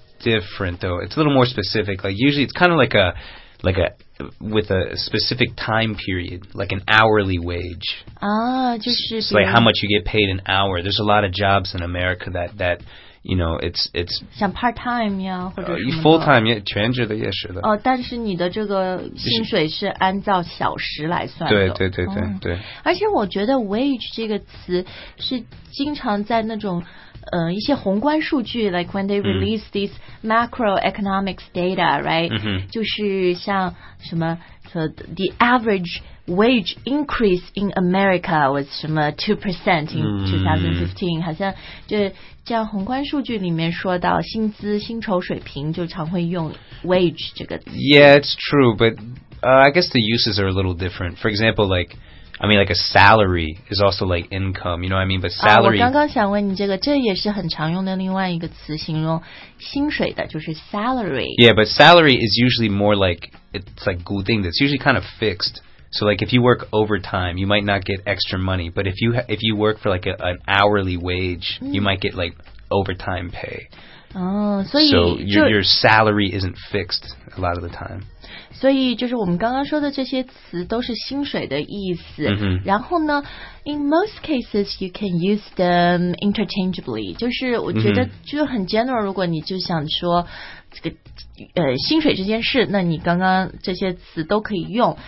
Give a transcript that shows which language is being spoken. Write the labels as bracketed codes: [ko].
[en] different though it's a little more specific like usually it's kind of like a with a specific time period like an hourly wage just it's like how much you get paid an hour there's a lot of jobs in America that you know it's some part-time yeah full-time yeah [zh] 全职的也是的但是你的这个薪水是按照小时来算的对而且我觉得 wage 这个词是经常在那种一些宏观数据 [en] like when they release these macroeconomics data, right? [zh] 就是像什么 [en] so the average wage increase in America was [zh] 什么 2% in 2015, 好像就这样宏观数据里面说到薪资薪酬水平就常会用 wage 这个词。 [en] Yeah, it's true, but I guess the uses are a little different. For example, like a salary is also like income, you know what I mean? But salary. [zh] 我刚刚想问你这个，这也是很常用的另外一个词，形容薪水的，就是 salary. [en] Yeah, but salary is usually more like it's like [zh] 固定的 [en] It's usually kind of fixed. So like if you work overtime, you might not get extra money. But if you work for like an hourly wage, you might get like overtime pay. So your salary isn't fixed a lot of the time. [zh] 所以就是我们刚刚说的这些词都是薪水的意思、 mm-hmm. 然后呢 [en] in most cases you can use them interchangeably [zh] 就是我觉得就很 general 如果你就想说这个薪水这件事那你刚刚这些词都可以用、